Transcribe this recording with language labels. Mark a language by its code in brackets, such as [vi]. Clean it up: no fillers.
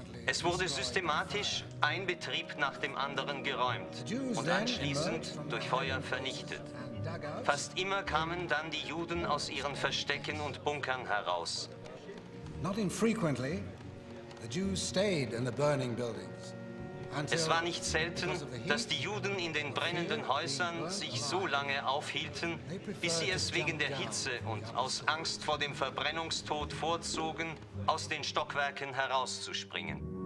[de] Es wurde systematisch ein Betrieb nach dem anderen geräumt und anschließend durch Feuer vernichtet. Fast immer kamen dann die Juden aus ihren Verstecken und Bunkern heraus. [en] Not infrequently, the Jews stayed in the burning buildings. [de] Es war nicht selten, dass die Juden in den brennenden Häusern sich so lange aufhielten, bis sie es wegen der Hitze und aus Angst vor dem Verbrennungstod vorzogen, aus den Stockwerken herauszuspringen.